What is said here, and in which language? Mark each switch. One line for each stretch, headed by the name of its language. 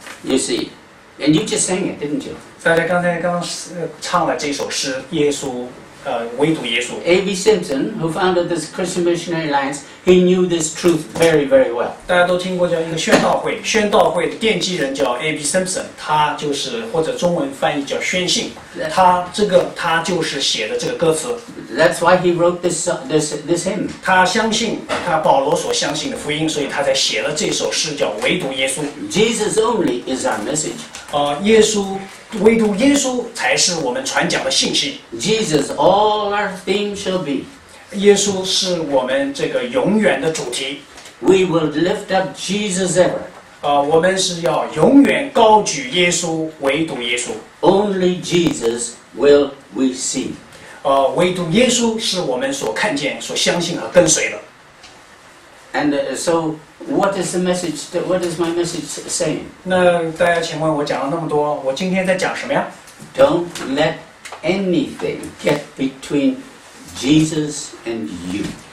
English: You see, and you just sang it, didn't you?
Chinese: 大家刚才唱了这首诗，耶稣，唯独耶稣。
English: A.B. Simpson, who founded this Christian Missionary Alliance, he knew this truth very, very well.
Chinese: 大家都听过叫一个宣道会，宣道会的奠基人叫 A.B. Simpson, 他就是或者中文翻译叫宣信，他就是写的这个歌词。
English: That's why he wrote this hymn.
Chinese: 他相信他保罗所相信的福音，所以他才写了这首诗叫唯独耶稣。
English: Jesus only is our message.
Chinese: 耶稣。唯独耶稣才是我们传讲的信息。
English: Jesus, all our theme shall be.
Chinese: 耶稣是我们这个永远的主题。
English: We will lift up Jesus ever.
Chinese: 我们是要永远高举耶稣，唯独耶稣。
English: Only Jesus will we see.
Chinese: 唯独耶稣是我们所看见、所相信和跟随的。
English: And so, what is the message? What is my message saying?
Chinese: 那大家请问我讲了那么多，我今天在讲什么呀？
English: Don't let anything get between Jesus and you.